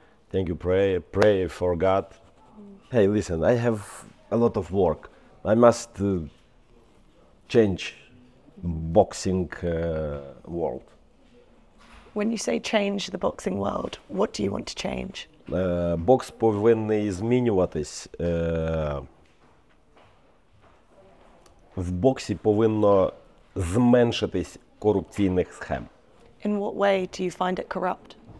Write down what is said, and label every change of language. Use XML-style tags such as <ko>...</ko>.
<en>Thank you, pray for God. Hey, listen, I have a lot of work. I must change boxing world. When you say change the boxing world, what do you want to change?</en> <uk>Бокс повинен змінюватись. В боксі повинно зменшитись корупційних схем.</uk> <en>In what way do you find it corrupt?</en>